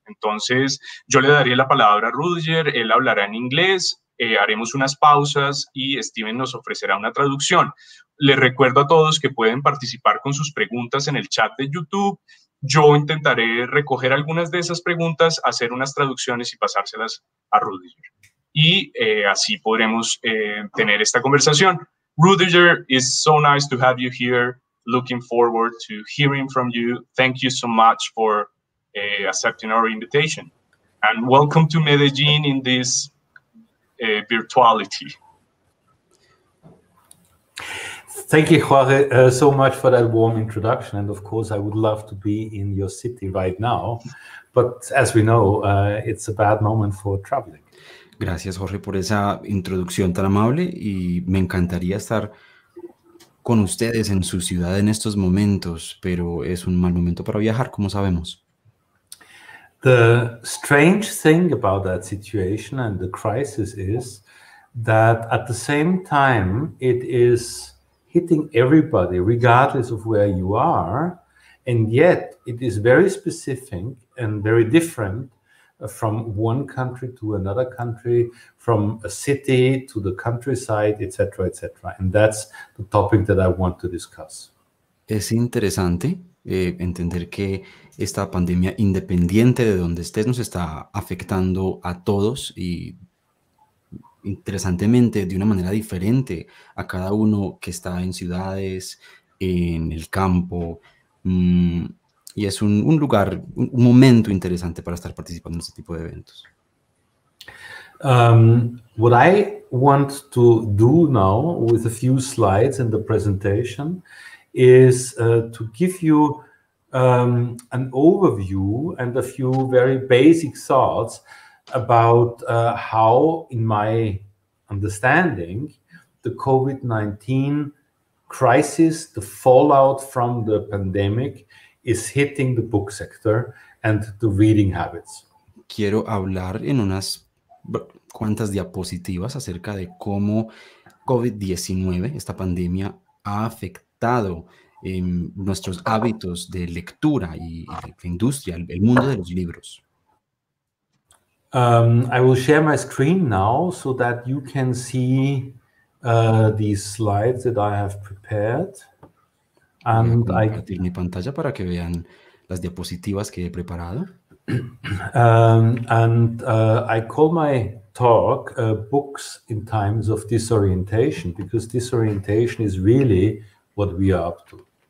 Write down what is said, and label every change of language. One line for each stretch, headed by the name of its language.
Spanish: Entonces, yo le daría la palabra a Rüdiger, él hablará en inglés, haremos unas pausas y Steven nos ofrecerá una traducción. Le recuerdo a todos que pueden participar con sus preguntas en el chat de YouTube. Yo intentaré recoger algunas de esas preguntas, hacer unas traducciones y pasárselas a Rüdiger. Y así podremos tener esta conversación.
English: Rüdiger, it's so nice to have you here. Looking forward to hearing from you. Thank you so much for accepting our invitation. And welcome to Medellín in this virtuality. Thank you, Jorge, so much for that warm introduction. And of course, I would love to be in your city right now. But as we know, it's a bad moment for traveling.
Spanish: Gracias, Jorge, por esa introducción tan amable y me encantaría estar con ustedes en su ciudad en estos momentos, pero es un mal momento para viajar, como sabemos.
English: The strange thing about that situation and the crisis is that at the same time, it is hitting everybody, regardless of where you are, and yet it is very specific and very different from one country to another country, from a city to the countryside, etc., etc. And that's the topic that I want to discuss.
Spanish: Es interesante entender que esta pandemia, independiente de donde estés, nos está afectando a todos y, interesantemente, de una manera diferente a cada uno que está en ciudades, en el campo. Y es un lugar, un momento interesante para estar participando en este tipo de eventos.
English: What I want to do now with a few slides in the presentation is to give you an overview and a few very basic thoughts about how, in my understanding, the COVID-19 crisis, the fallout from the pandemic, is hitting the book sector and the reading habits.
Spanish: Quiero hablar en unas cuantas diapositivas acerca de cómo COVID-19, esta pandemia, ha afectado nuestros hábitos de lectura y la industria, el mundo de los libros.
English: I will share my screen now so that you can see these slides that I have prepared.
Spanish: Voy a compartir mi pantalla para que vean las diapositivas que he preparado.
English: I call my talk Books in Times of Disorientation, because disorientation is really what we are up to.